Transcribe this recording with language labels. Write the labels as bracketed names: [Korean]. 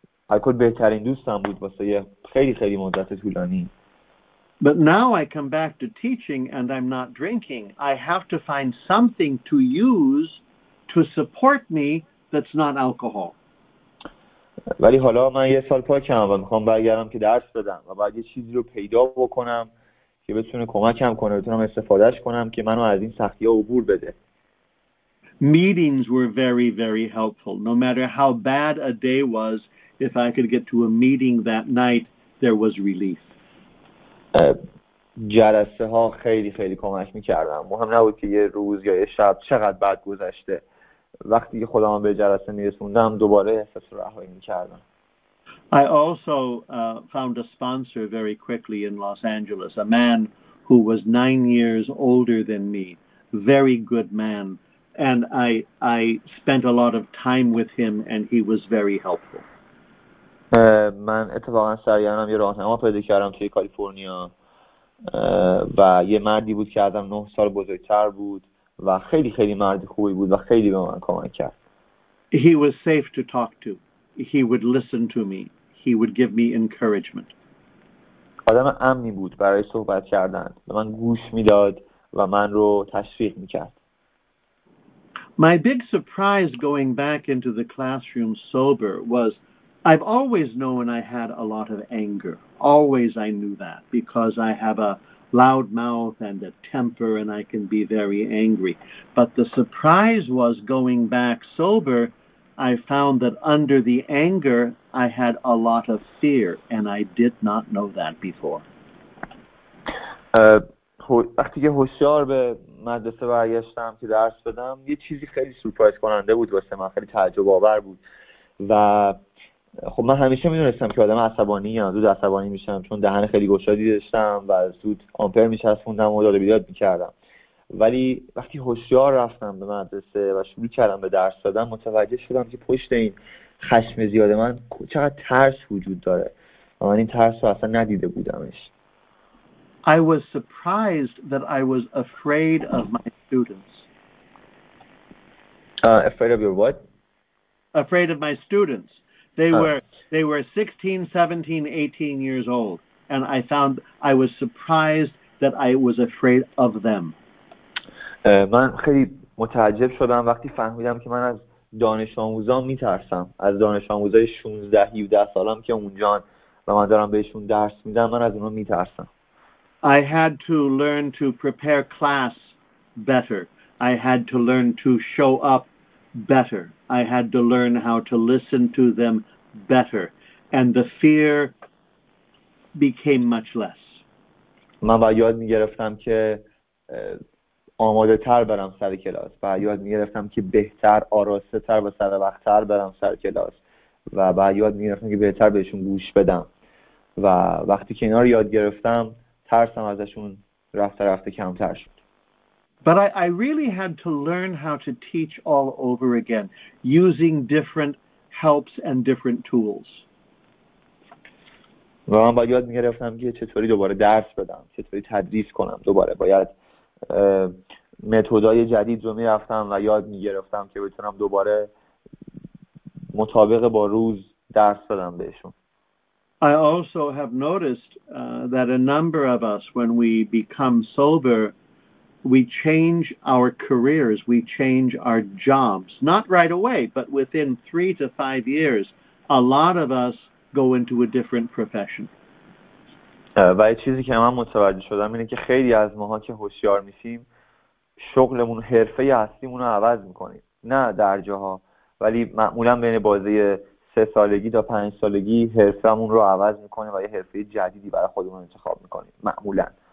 [Persian] الکل بهترین دوستم بود واسه یه خیلی خیلی مدت طولانی. [English] But now I come back to teaching and I'm not drinking. I have to find something to use to support me that's not alcohol. [Persian] ولی حالا من یه سال پاکم و میخوام برگردم که درس بدم و باید یه چیزی رو پیدا بکنم که بتونه کمکم کنه، بتونم استفادهش کنم که منو از این سختی ها عبور بده. [English] Meetings were very, very helpful. No matter how bad a day was, if I could get to a meeting that night, there was relief. [Persian] جلسه ها خیلی خیلی کمک میکردم. مهم نبود که یه روز یا یه شب چقدر بد گذشته. وقتی که خودم به جلسه میرسوندم دوباره احساس رهایی میکردم. [English] I also found a sponsor very quickly in Los Angeles, a man who was 9 years older than me, very good man. And I spent a lot of time with him, and he was very helpful. [Persian] من اتفاقا سریعانم یه راهنما پیدا کردم توی کالیفرنیا و یه مردی بود که آدم 9 سال بزرگتر بود و خیلی خیلی مرد خوبی بود و خیلی به من کمک کرد. [English] He was safe to talk to. He would listen to me. He would give me encouragement. [Persian] آدم امنی بود برای صحبت کردن. به من گوش میداد و من رو تشویق میکرد. [English] My big surprise going back into the classroom sober was I've always known I had a lot of anger. Always I knew that because I have a loud mouth and a temper and I can be very angry. But the surprise was going back sober, I found that under the anger, I had a lot of fear and I did not know that before. [Persian] وقتی که هوشیار به مدرسه برگشتم که درس بدم، یه چیزی خیلی سورپرایز کننده بود واسه من، خیلی تعجب آور بود. و خب من همیشه میدونستم که آدم عصبانی یا زود عصبانی میشم چون دهن خیلی گشادی داشتم و زود آمپر میچسبوندم و داد و بیداد میکردم. ولی وقتی هوشیار رفتم به مدرسه و شروع کردم به درس دادن، متوجه شدم که پشت این خشم زیاد من چقدر ترس وجود داره و من این ترس رو اصلا ندیده بودمش. [English] I was surprised that I was afraid of my students. Afraid of your what? Afraid of my students. They were 16, 17, 18 years old. And I found I was surprised that I was afraid of them. [Persian] من خیلی متعجب شدم وقتی فهمیدم که من از دانش آموزان میترسم. از دانش آموزای 16, 17 سالم که اونجان و من دارم بهشون درس میدم، من از اونا میترسم. [English] I had to learn to prepare class better. I had to learn to show up better. I had to learn how to listen to them better. And the fear became much less. [Persian] من باید یاد می‌گرفتم که آماده‌تر برم سر کلاس. باید یاد می‌گرفتم که بهتر آراسته‌تر و سر وقت‌تر برم سر کلاس. و باید یاد می‌گرفتم که بهتر بهشون گوش بدم. و وقتی که اینا رو یاد گرفتم، ترسم ازشون رفته رفته کمتر شد. [English] But I really had to learn how to teach all over again using different helps and different tools. [Persian] و من باید یاد میگرفتم که چطوری دوباره درس بدم، چطوری تدریس کنم دوباره. باید متدهای جدید رو میرفتم و یاد میگرفتم که بتونم دوباره مطابق با روز درس بدم بهشون. [English] I also have noticed that a number of us, when we become sober, we change our careers, we change our jobs. Not right away, but within 3 to 5 years, a lot of us go into a different profession. [Persian] و یه چیزی که من متوجه شدم اینه که خیلی از ماها که هوشیار میشیم، شغلمون، حرفه اصلیمون رو عوض میکنیم. نه در جاها، ولی معمولا بین بازه 3 سالگی تا 5 سالگی حرفمون رو عوض میکنه و یه حرفه جدیدی برای خودمون انتخاب میکنیم معمولا.